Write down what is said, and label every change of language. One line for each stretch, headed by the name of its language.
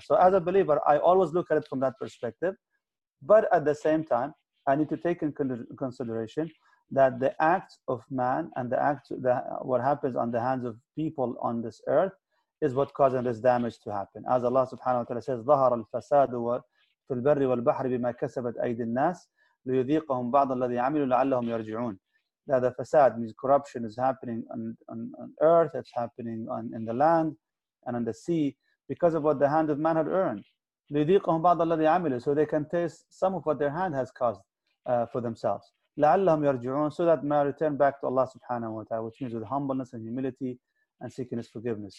English: So as a believer, I always look at it from that perspective. But at the same time, I need to take in consideration that the acts of man and the act that what happens on the hands of people on this earth is what causes this damage to happen.
Arabic: As Allah subhanahu wa ta'ala says, ظهر الفساد في البر والبحر بما كسبت أيدي الناس ليذيقهم بعض الذي عملوا لعلهم يرجعون.
English: That the fasad means corruption is happening on earth, it's happening in the land and on the sea because of what the hand of man had earned.
Arabic: لِذِيقَهُمْ بَعْضَ الَّذِي عَمِلُوا.
English: So they can taste some of what their hand has caused for themselves.
Arabic: لَعَلَّهُمْ يَرْجِعُونَ.
English: So that may return back to Allah subhanahu wa ta'ala, which means with humbleness and humility and seeking His forgiveness.